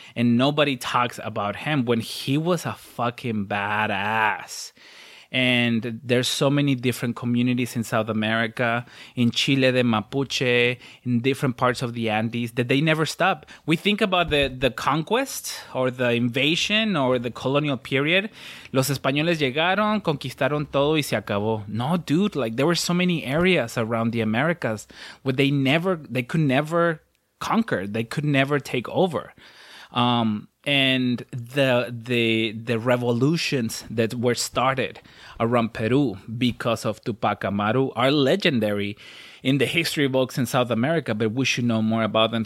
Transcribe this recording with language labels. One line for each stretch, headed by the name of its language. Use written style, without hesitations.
English: And nobody talks about him when he was a fucking badass. And there's so many different communities in South America, in Chile, the Mapuche, in different parts of the Andes, that they never stop. We think about the conquest or the invasion or the colonial period.
Spanish: Los españoles llegaron, conquistaron todo y se acabó.
English: No, dude, like there were so many areas around the Americas where they could never conquer. They could never take over. And the revolutions that were started around Peru because of Tupac Amaru are legendary in the history books in South America, but we should know more about them.